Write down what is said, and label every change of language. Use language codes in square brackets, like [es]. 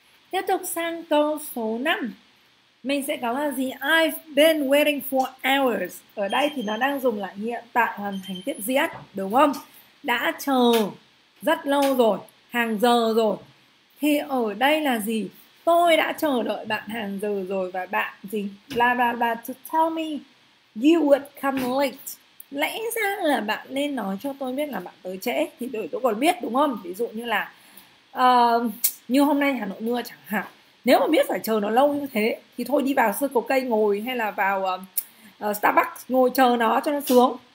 [vi] Tiếp tục sang câu số 5, mình sẽ có là gì? [en] I've been waiting for hours. [vi] Ở đây thì nó đang dùng là hiện tại hoàn thành tiếp diễn, đúng không? Đã chờ rất lâu rồi, hàng giờ rồi. Thì ở đây là gì? Tôi đã chờ đợi bạn hàng giờ rồi và bạn gì? [en] Bla bla bla to tell me you would come late. [vi] Lẽ ra là bạn nên nói cho tôi biết là bạn tới trễ thì để tôi còn biết, đúng không? Ví dụ như là như hôm nay Hà Nội mưa chẳng hạn. Nếu mà biết phải chờ nó lâu như thế thì thôi đi vào Circle K ngồi, hay là vào Starbucks ngồi chờ nó cho nó xuống.